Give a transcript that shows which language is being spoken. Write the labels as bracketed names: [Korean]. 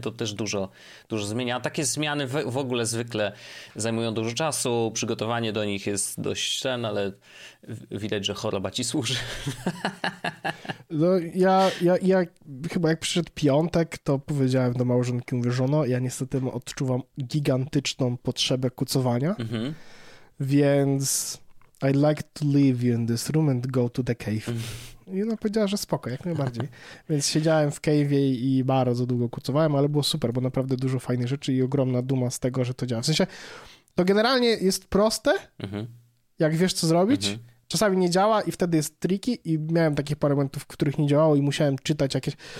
[Polish] To też dużo, dużo zmienia. A takie zmiany w ogóle zwykle zajmują dużo czasu, przygotowanie do nich jest dość ten, ale widać, że choroba ci służy. No ja chyba jak przyszedł piątek, to powiedziałem do małżonki, mówię, żono, ja niestety odczuwam gigantyczną potrzebę kucowania, więc... [English] I'd like to leave you in this room and go to the cave. [Polish] I ona powiedziała, że spoko, jak najbardziej. Więc siedziałem w cave'ie i bardzo długo kucowałem, ale było super, bo naprawdę dużo fajnych rzeczy i ogromna duma z tego, że to działa. W sensie, to generalnie jest proste, jak wiesz, co zrobić. Czasami nie działa i wtedy jest tricky i miałem takich parę momentów, w których nie działało i musiałem czytać jakieś...